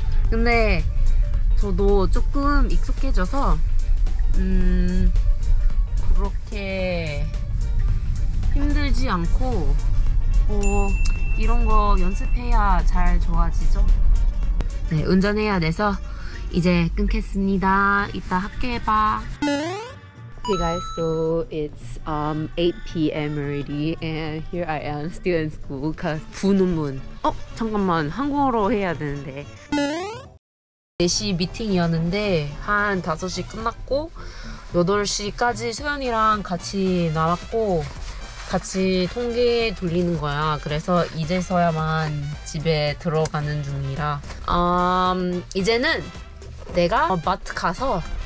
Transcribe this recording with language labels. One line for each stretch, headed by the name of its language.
Korean: 근데 저도 조금 익숙해져서 그렇게 힘들지 않고 이런 거 연습해야 잘 좋아지죠. 네, 운전해야 돼서 이제 끊겠습니다. 이따 학교에 봐.
English: Hey guys, so it's 8 PM already and here I am still in school cause
Korean: 부논문. 잠깐만, 한국어로 해야 되는데. 4시 미팅이었는데 한 5시 끝났고 8시까지 소연이랑 같이 나왔고 같이 통계 돌리는 거야. 그래서 이제서야만 집에 들어가는 중이라 이제는 내가 마트 가서